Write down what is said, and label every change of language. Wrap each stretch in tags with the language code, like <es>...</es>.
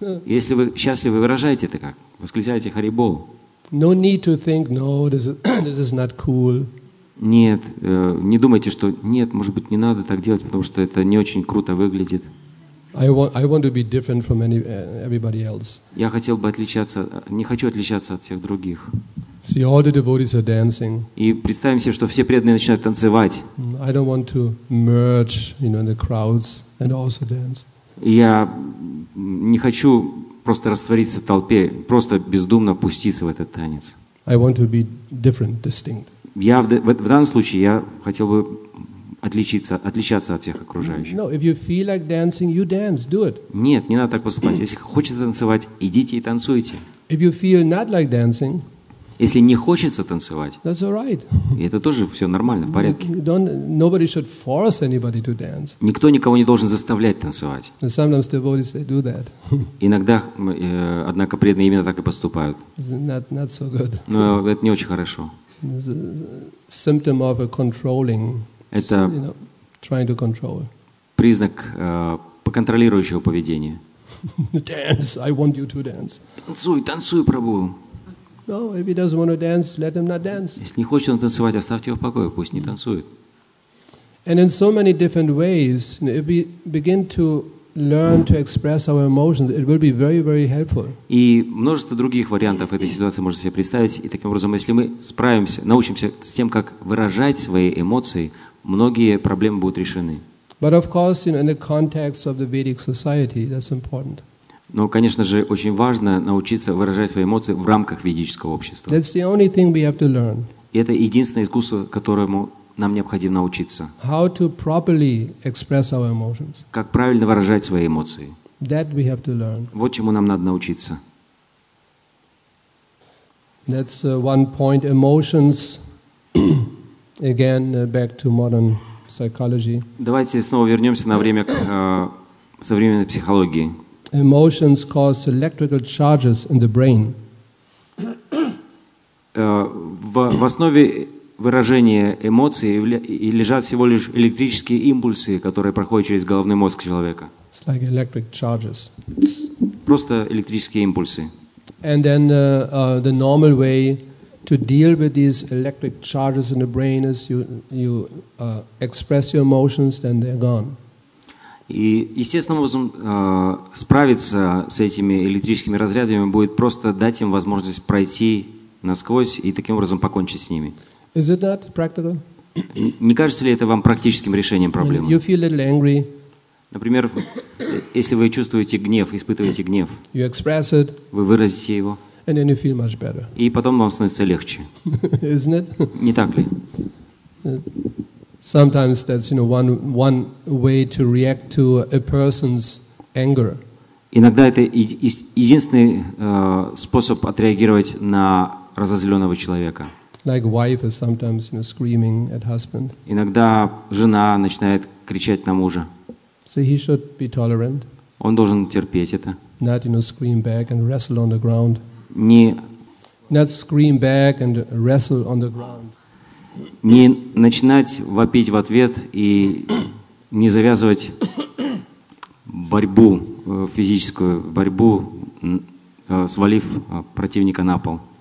<ru>Если вы счастливы, выражайте это как? Восклицайте Hari Bol.</ru> <en>No need to think, no, this is not cool.</en> <ru>Нет, не думайте, что нет, может быть, не надо так делать, потому что это не очень круто выглядит.</ru> <en>I want to be different from everybody else.</en> <ru>Я хотел бы отличаться, не хочу отличаться от всех других.</ru> <en>See, all the devotees are dancing.</en> <ru>И представим себе, что все преданные начинают танцевать.</ru> <en>I don't want to merge, you know, in the crowds and also dance.</en> <ru>Я не хочу просто раствориться в толпе, просто бездумно пуститься в этот танец.</ru> <en>I want to be different, distinct.</en> <ru>Я в данном случае я хотел бы отличаться от всех окружающих.</ru> <en>No, if you feel like dancing, you dance, do it.</en> <ru>Нет, не надо так поступать. Если хочется танцевать, идите и танцуйте.</ru> <en>If you feel not like dancing,</en> <ru>Если не хочется танцевать,</ru> <en>that's all right.</en> <ru>Это тоже все нормально, в порядке.</ru> <en>Nobody should force anybody to dance.</en> <ru>Никто никого не должен заставлять танцевать.</ru> <en>And sometimes devotees, they do that.</en> <ru>Иногда, однако, преданные именно так и поступают.</ru> <en>Not so good.</en> <ru>Но это не очень хорошо.</ru> <en>It's a symptom of a controlling,</en> <ru>это</ru> <en>you know, trying to control.</en> <ru>Признак контролирующего поведения.</ru> <en>Dance, I want you to dance.</en> <ru>Танцуй, танцуй, Прабу.</ru> <en>No, if he doesn't want to dance, let him not dance.</en> <ru>Если не хочет он танцевать, оставьте его в покое, пусть не танцует.</ru> <en>And in so many different ways, if we begin to learn to express our emotions, it will be very, very helpful.</en> <ru>И множество других вариантов этой ситуации можно себе представить. И таким образом, если мы справимся, научимся с тем, как выражать свои эмоции, многие проблемы будут решены.</ru> <en>But of course, you know, in the context of the Vedic society, that's important.</en> <ru>Но, конечно же, очень важно научиться выражать свои эмоции в рамках ведического общества.</ru> <en>That's the only thing we have to learn.</en> <ru>И это единственное искусство, которому нам необходимо научиться.</ru> <en>How to properly express our emotions.</en> <ru>Как правильно выражать свои эмоции.</ru> <en>That we have to learn.</en> <ru>Вот чему нам надо научиться.</ru> <en>That's one point. Emotions. Again, back to modern psychology.</en> <ru>Давайте снова вернемся на время к современной психологии.</ru> <en>Emotions cause electrical charges in the brain.</en> <ru>В основе выражения эмоций лежат всего лишь электрические импульсы, которые проходят через головной мозг человека.</ru> <en>It's like electric charges.</en> <ru>Просто электрические импульсы.</ru> <en>And then the normal way to deal with these electric charges in the brain is you express your emotions, then they're gone.</en> <ru>И естественным образом справиться с этими электрическими разрядами будет просто дать им возможность пройти насквозь и таким образом покончить с ними.</ru> <en>Is it that practical?</en> <ru>Не кажется ли это вам практическим решением проблемы?</ru> <en>You feel a little angry.</en> <ru>Например, если вы чувствуете гнев, испытываете гнев,</ru> <en>you express it,</en> <ru>вы выразите его,</ru> <en>and then you feel much better.</en> <ru>И потом вам становится легче.</ru> <en>Isn't it?</en> <ru>Не так ли?</ru> <en>Sometimes that's, you know, one way to react to a person's anger.</en> <ru>Иногда это единственный способ отреагировать на разозлённого человека.</ru> <en>Like wife is sometimes, you know, screaming at husband.</en> <ru>Иногда жена начинает кричать на мужа.</ru> <en>So he should be tolerant.</en> <ru>Он должен терпеть это.</ru> <en>Not, you know, scream back and wrestle on the ground.</en> <ru>Не.</ru> <en>Not scream back and wrestle on the ground.</en> <ru>Не начинать вопить в ответ и не завязывать борьбу, физическую борьбу, свалив противника на пол.</ru>